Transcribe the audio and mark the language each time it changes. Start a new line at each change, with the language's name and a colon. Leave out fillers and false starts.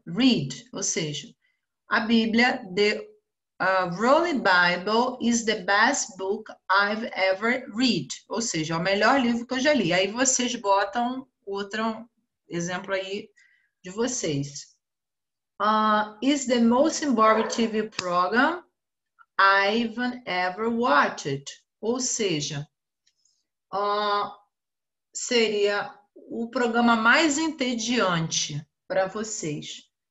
English: Read,
Portuguese: ou seja, a Bíblia,
English: the Holy Bible is the best book I've ever read.
Portuguese: Ou seja, é o melhor livro que eu já li. Aí vocês botam outro exemplo aí de vocês.
English: Is the most important TV program I've ever watched.
Portuguese: Ou seja, seria o programa mais entediante para vocês.